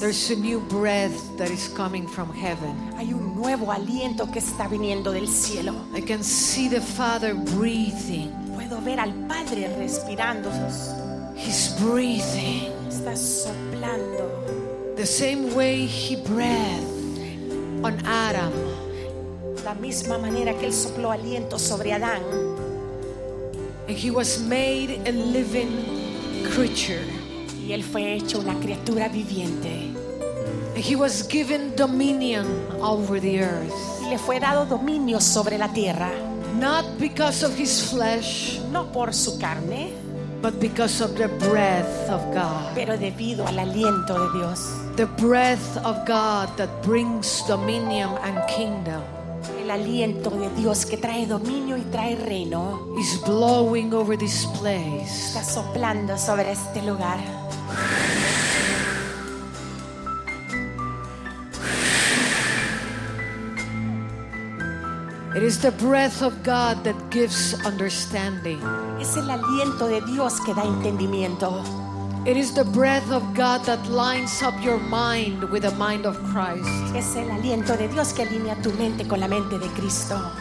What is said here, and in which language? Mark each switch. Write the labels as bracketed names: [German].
[English] There's a new breath that is coming from heaven. [Spanish] Hay un nuevo aliento que está viniendo del cielo. [English] I can see the Father breathing. [Spanish] Puedo ver al Padre respirando. [English] He's breathing. [Spanish] Está soplando. [English] The same way he breathed on Adam. [Spanish] La misma manera que él sopló aliento sobre Adán. [English] And he was made a living creature. [Spanish] Y él fue hecho una criatura viviente. [English] He was given dominion over the earth. [Spanish] Y le fue dado dominio sobre la tierra. [English] Not because of his flesh, [Spanish] no por su carne, [English] but because of the breath of God. [Spanish] Pero debido al aliento de Dios. [English] The breath of God that brings dominion and kingdom. [Spanish] el aliento de Dios que trae dominio y trae reino. [English] Is blowing over this place. [Spanish] Está soplando sobre este lugar. [English] It is the breath of God that gives understanding. [Spanish] Es el aliento de Dios que da entendimiento. [English] It is the breath of God that lines up your mind with the mind of Christ. [Spanish] Es el aliento de Dios que alinea tu mente con la mente de Cristo.